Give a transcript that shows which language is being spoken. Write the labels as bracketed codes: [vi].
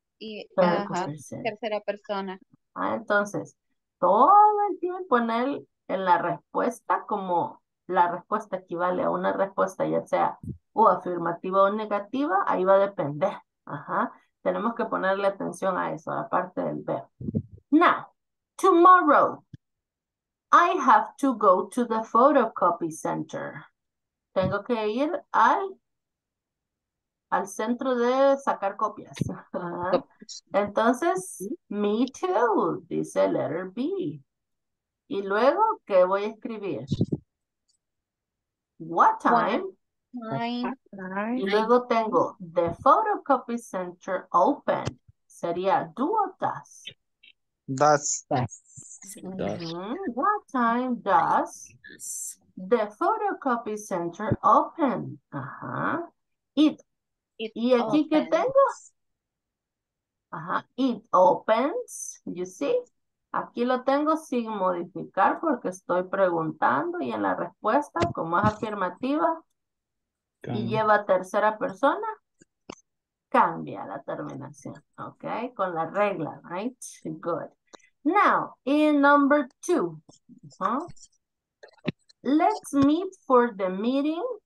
[es] tercera persona. Ah, entonces, todo el tiempo en el, en la respuesta, como la respuesta equivale a una respuesta, ya sea o afirmativa o negativa, ahí va a depender. Ajá. Tenemos que ponerle atención a eso, a la parte del verbo. [en] Now, tomorrow, I have to go to the photocopy center. [es] Tengo que ir al centro de sacar copias. Entonces, [en] me too, [es] dice [en] letter B. [es] Y luego, ¿qué voy a escribir? [en] What time? [es] Y luego tengo [en] the photocopy center open. Sería do or does? Does. What time does the photocopy center open? Uh-huh. It [es] ¿Y aquí qué tengo? Ajá, [en] it opens, you see? [es] Aquí lo tengo sin modificar porque estoy preguntando y en la respuesta, como es afirmativa, y lleva tercera persona, cambia la terminación, ¿ok? Con la regla, right? Good. [en] Now, in number two, let's meet for the meeting.